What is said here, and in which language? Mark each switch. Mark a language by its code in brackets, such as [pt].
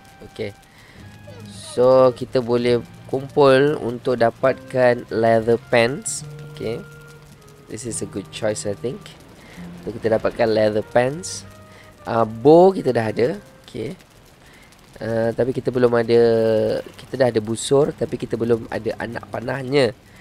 [ms] Okay, so kita boleh kumpul untuk dapatkan leather pants. [en] Okay, this is a good choice I think. [ms] Untuk kita dapatkan leather pants. Bow kita dah ada. Okay, Tapi kita belum ada, kita dah ada busur tapi kita belum ada anak panahnya.